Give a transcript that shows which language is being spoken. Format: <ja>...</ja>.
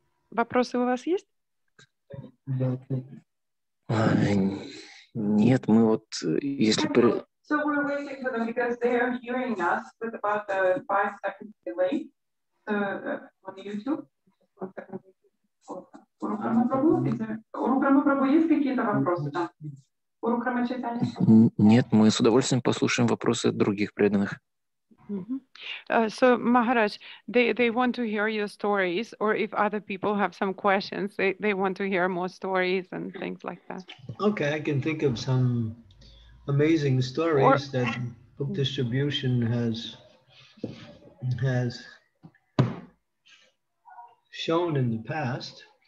<ru>Вопросы у вас есть? Да. Нет, мы вот если при.</ru> <en>So we're waiting for them because they are hearing us with about the 5 seconds delay on YouTube.</en> <ru>Урукрама Прабу, есть какие-то вопросы? Да. Урукрама Чайтанья. Нет, мы с удовольствием послушаем вопросы других преданных. Mm-hmm.</ru> <en>So Maharaj, they want to hear your stories, or if other people have some questions, they want to hear more stories and things like that. Okay, I can think of some amazing stories that book distribution has shown in the past.</en>